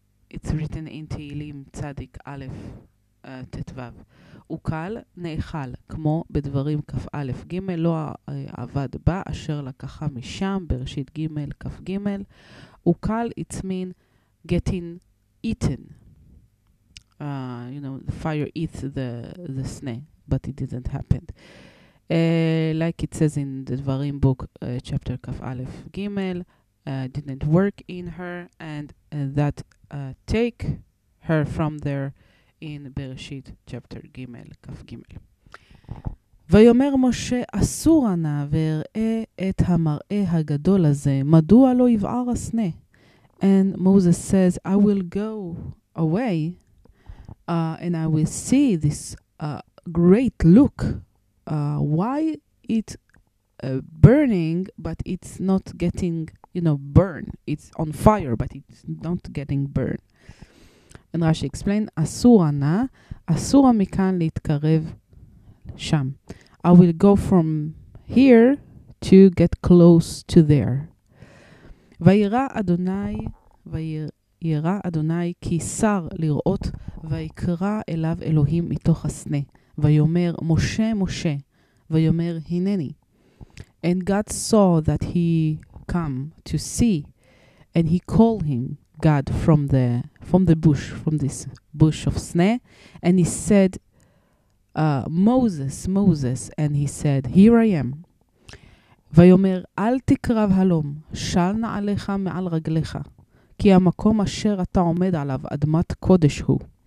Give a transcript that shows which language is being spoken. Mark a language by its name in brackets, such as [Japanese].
[English] It's written in Teheilim, Tzadik Aleph, תתוו. [Hebrew] הוא קל, נאכל, כמו בדברים כף א', ג', לא עבד בה, אשר לקחה משם, בראשית ג', כף ג', הוא קל, [English] it's mean getting eaten. You know, the fire eats the snake, but it didn't happen. Like it says in the דברים book, chapter כף א', ג', didn't work in her, and that take her from there, in bereshit chapter gimel kaf gimel [Hebrew] ויומר משה אסור אנה ואראה את המראה הגדול הזה מדוע לא יבער הסנה [English] and Moses says I will go away and I will see this great look why it burning but it's not getting you know burn it's on fire but it's not getting burn And Rashi explained, [Hebrew] אסור ענה, אסור מכאן להתקרב שם. [English] I will go from here to get close to there. [Hebrew] וירא אדוני כי שר לראות, ויקרא אליו אלוהים מתוך הסנה. ויומר, משה, משה. ויומר, הנני. [English] And God saw that he come to see, and he called him. God from the bush from this bush of sne and he said Moses and he said here I am [Hebrew] ויומר אל תקרב הלום של נעליך מעל רגליך כי המקום אשר אתה עומד עליו אדמת קודש הוא